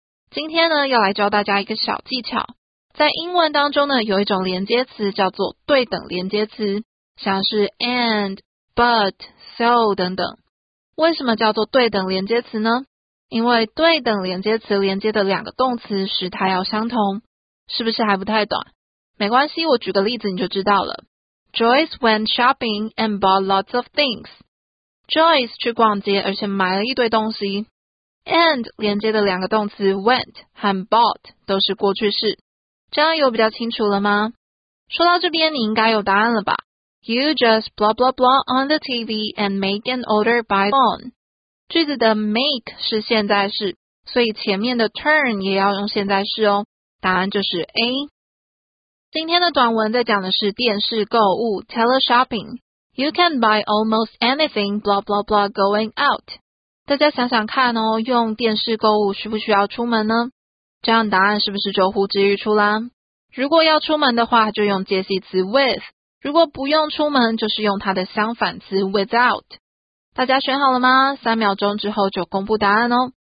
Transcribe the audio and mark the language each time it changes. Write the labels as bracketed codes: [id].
[zh] 今天呢，要来教大家一个小技巧。在英文当中呢，有一种连接词叫做对等连接词，像是 and, but, so 等等。为什么叫做对等连接词呢？因为对等连接词连接的两个动词时态要相同。是不是还不太懂？没关系，我举个例子你就知道了。 [en] Joyce went shopping and bought lots of things. [zh] Joyce 去逛街，而且买了一堆东西。And 连接的两个动词 went 和 bought 都是过去式，这样有比较清楚了吗？说到这边你应该有答案了吧。 [en] You just blah blah blah on the TV and make an order by phone. [zh] 句子的 make 是现在式，所以前面的 turn 也要用现在式哦。答案就是 A。今天的短文在讲的是电视购物 teleshopping. [en] You can buy almost anything blah blah blah going out. [zh] 大家想想看哦，用电视购物需不需要出门呢？这样答案是不是就呼之欲出啦？如果要出门的话，就用介系词 with，如果不用出门，就是用它的相反词 without。大家选好了吗？三秒钟之后就公布答案哦。